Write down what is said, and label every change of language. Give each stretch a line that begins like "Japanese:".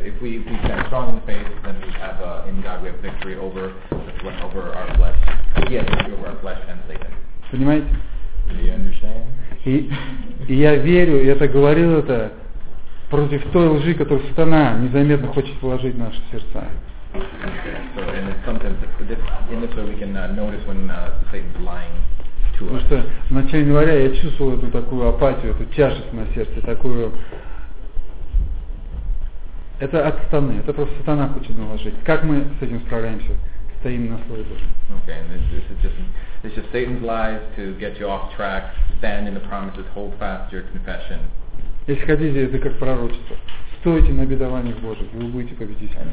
English: If we stand strong in the faith, then we have in God we have victory over our flesh. Yes, victory over our flesh and Satan.
Russian: Понимаете?
English: Do you understand?
Russian: И я верю, я так говорил это против той лжи, которую сатана незаметно хочет вложить в наши сердца.
English: So and sometimes in this way we can notice when Satan's lying.
Russian: Потому что в начале января я чувствовал эту такую апатию, эту тяжесть на сердце, такую. Это от сатаны. Это просто сатана хочет наложить. Как мы с этим справляемся? Стоим на службе.
English: Okay, and this is just Satan's lies to get you off track. Stand in the promises. Hold fast your confession.
Russian: Если хотите, это как пророчество. Стойте на обетованиях Божьих, и вы будете победителями.